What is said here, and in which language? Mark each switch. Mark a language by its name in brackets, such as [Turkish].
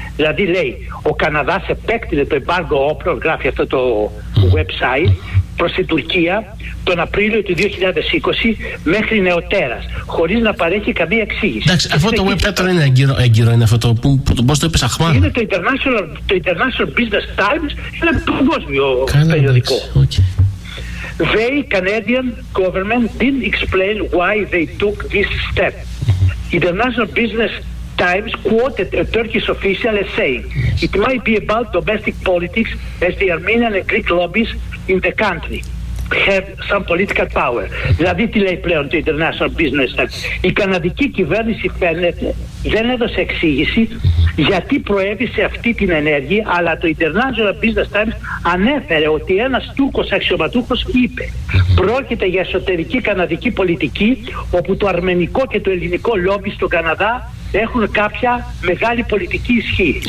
[Greek] Δηλαδή λέει, ο Καναδάς επέκτηνε το embargo όπλων, γράφει αυτό το website, προς την Τουρκία τον Απρίλιο του 2020 μέχρι νεοτέρας, χωρίς να παρέχει καμία εξήγηση. Εντάξει, αυτό το web τώρα είναι έγκυρο, είναι αυτό το πώς το είπες, Αχμάν. Είναι το International Business Times, είναι παγκόσμιο περιοδικό. [English] They, Canadian government, didn't explain why they took this step. International Business Times quoted a Turkish official as saying it might be about domestic politics as the Armenian and Greek lobbies in the country have some political power. [Greek] Δηλαδή τι λέει πλέον το International Business Times? Η καναδική κυβέρνηση φαίνεται δεν έδωσε εξήγηση γιατί προέβη σε αυτή την ενέργεια, αλλά το International Business Times ανέφερε ότι ένας Τούρκος αξιωματούχος είπε πρόκειται για εσωτερική καναδική πολιτική όπου το αρμενικό και το ελληνικό λόμπι στον Καναδά έχουν κάποια μεγάλη πολιτική ισχύ.